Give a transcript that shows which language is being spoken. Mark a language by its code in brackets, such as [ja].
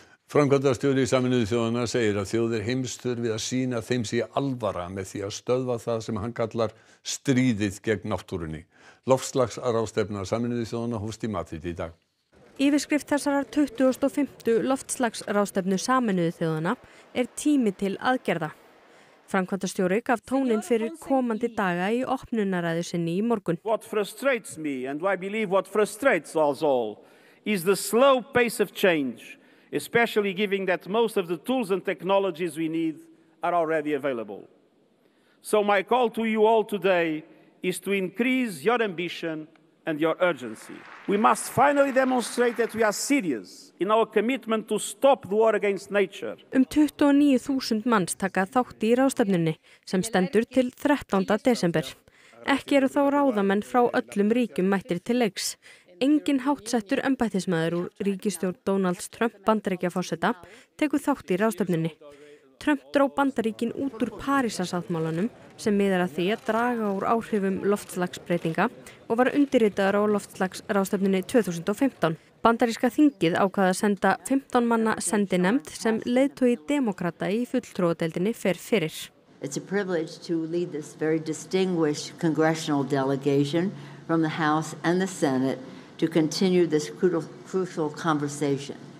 [is] Framkvæmdastjóri Sameinuðu þjóðanna segir að þjóðir heims þurfi að sýna þeim sé alvara með því að stöðva það sem hann kallar stríðið gegn náttúrunni. Loftslagsráðstefna Sameinuðu þjóðanna hófst í Madrid í dag. Yfirskrift þessarar 25. Loftslagsráðstefnu Sameinuðu þjóðanna tími til aðgerða. Framkvæmdastjóri gaf tóninn fyrir komandi daga í opnunarræðu sinni í morgun. [en] What frustrates me and I believe what frustrates us all is the slow pace of change, especially given that most of the tools and technologies we need are already available. So my call to you all today is to increase your ambition and your urgency. We must finally demonstrate that we are serious in our commitment to stop the war against nature. [is] 29,000 manns taka þátt í ráðstefnunni sem stendur til 13. desember. Ekki eru þá ráðamenn frá öllum ríkjum mættir til leiks. Engin háttsettur embættismaður úr ríkisstjórn Donalds Trump Bandaríkjaforseta tekur þátt í ráðstefnunni. Trump dró Bandaríkin út úr Parísarsáttmálanum sem miðar að því að draga úr áhrifum loftslagsbreytinga og var undirritaður á loftslagsráðstefnunni 2015. Bandaríska þingið ákvað að senda 15 manna sendinefnd sem leiðtogi demókrata í fulltrúadeildinni fer fyrir. [en] It's a privilege to lead this very distinguished congressional delegation from the House and the Senate to continue this crucial conversation.